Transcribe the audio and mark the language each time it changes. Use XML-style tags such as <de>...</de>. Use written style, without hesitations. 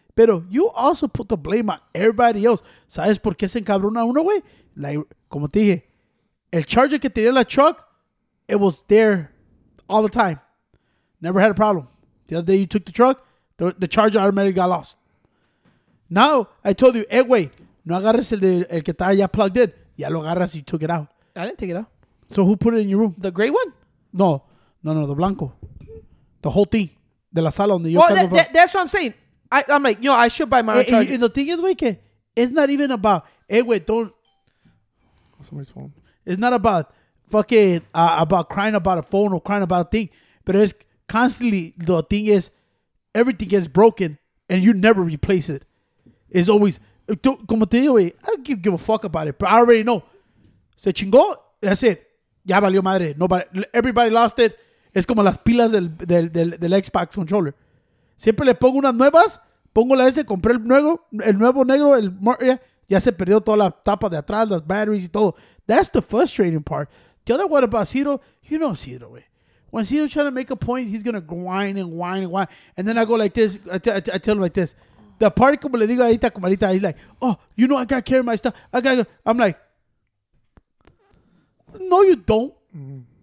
<en>Pero you also put the blame on everybody else.</en> <es>¿Sabes por qué se encabrona uno, güey?</es> <en>Like,</en> <es>como te dije, el charger que tenía la truck,</es> <en>it was there all the time. Never had a problem. The other day you took the truck, the charger automatically got lost. Now, I told you, güey.</en> <es>No agarres el que está ya</es> <en>plugged in.</en> <es>Ya lo agarras.</es> <en>You took it out. I didn't take it out. So who put it in your room? The gray one? No. The blanco. The whole thing.</en> <es>De la sala donde yo</es> <en>estaba. Well, that's what I'm saying. I'm like, I should buy my own charger. And the thing is, güey, que it's not even about, güey, don't. Somebody's phone. It's not about fucking, about crying about a phone or crying about a thing. But it's constantly, the thing is, everything gets broken and you never replace it. It's always.</en> <es>Como te digo,</es> <en>I don't give a fuck about it, but I already know.</en> <es>Se chingó,</es> <en>that's it.</en> <es>Ya valió madre.</es> <en>Nobody, everybody lost it.</en> <es>Es como las pilas del Xbox controller. Siempre le pongo unas nuevas, pongo la S, compré el nuevo negro, ya se perdió toda la tapa de atrás, las batteries y todo.</es> <en>That's the frustrating part. The other one about Ciro, you know Ciro, güey. When Ciro's trying to make a point, he's going to grind and whine and whine. And then I go like this, I tell him like this. The party,</en> <es>como le digo ahorita, como ahorita,</es> <en>he's like, oh, you know, I got to carry my stuff. I'm like, no, you don't. Mm-hmm.</en>